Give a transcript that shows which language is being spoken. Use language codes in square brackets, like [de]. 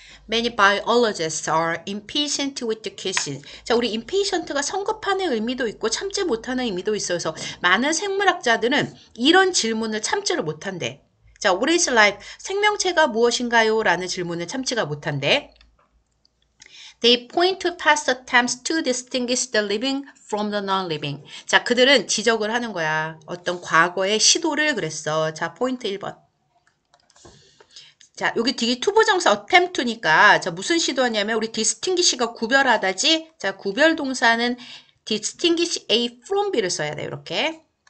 [en] Many biologists are impatient with the kitchen. [ko] 자, 우리 impatient가 성급하는 의미도 있고 참지 못하는 의미도 있어서 많은 생물학자들은 이런 질문을 참지를 못한대. 자, [en] what is life? [ko] 생명체가 무엇인가요? 라는 질문을 참지가 못한대. [en] They point to past attempts to distinguish the living from the non-living. [ko] 자, 그들은 지적을 하는 거야. 어떤 과거의 시도를 그랬어. 자, 포인트 1번. 자, 여기 뒤에 투부 정사 attempt니까 자, 무슨 시도냐면 우리 distinguish가 구별하다지? 자, 구별 동사는 distinguish A from B를 써야 돼, 이렇게.